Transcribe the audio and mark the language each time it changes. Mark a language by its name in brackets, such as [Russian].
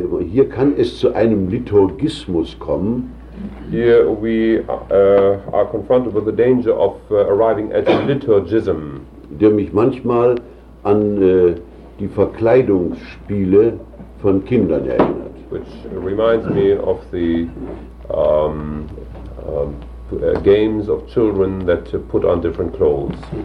[German] Hier kann es zu einem Liturgismus kommen. [English] Here we are confronted with the danger of arriving at a liturgism, [German] der mich manchmal an die Verkleidungsspiele von Kindern erinnert. [English] Which reminds me of the games of children that put on different clothes.